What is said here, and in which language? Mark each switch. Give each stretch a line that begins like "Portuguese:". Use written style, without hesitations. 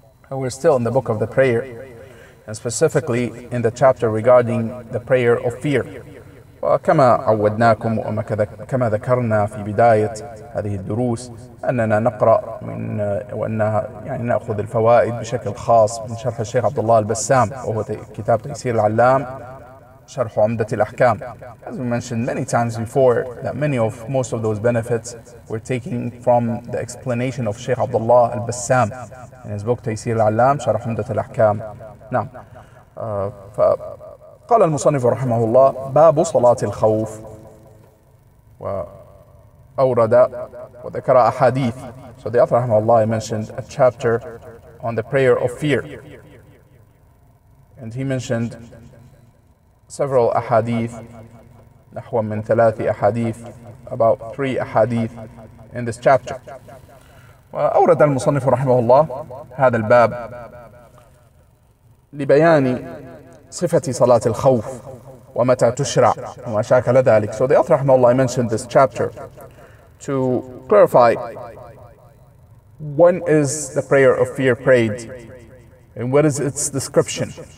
English: And we're still in the book of the prayer, and specifically in the chapter regarding the prayer of fear.
Arabic: وكما عودناكم وكما ذكرنا في بداية هذه الدروس أننا نقرأ من وأنها يعني نأخذ الفوائد بشكل خاص من شرح الشيخ عبد الله البسام، وهو كتاب تيسير العلام شرح عمدة الأحكام.
English: As we mentioned many times before, that most of those benefits we're taking from the explanation of Sheikh Abdullah al-Bassam in his book تيسير العلام شرح عمدة الأحكام.
Arabic: نعم. فقال المصنف رحمه الله: باب صلاة الخوف. وأورد وذكر أحاديث.
English: So the author رحمه الله mentioned a chapter on the prayer of fear. And he mentioned several ahadith,
Arabic: نحو من ثلاث أحاديث,
English: about three أحاديث in this chapter.
Arabic: وأورد المصنف رحمه الله هذا الباب لبيان صفة صلاة الخوف ومتى تشرع ومشاكل ذلك.
English: So the author رحمه الله mentioned this chapter to clarify when is the prayer of fear prayed and what is its description.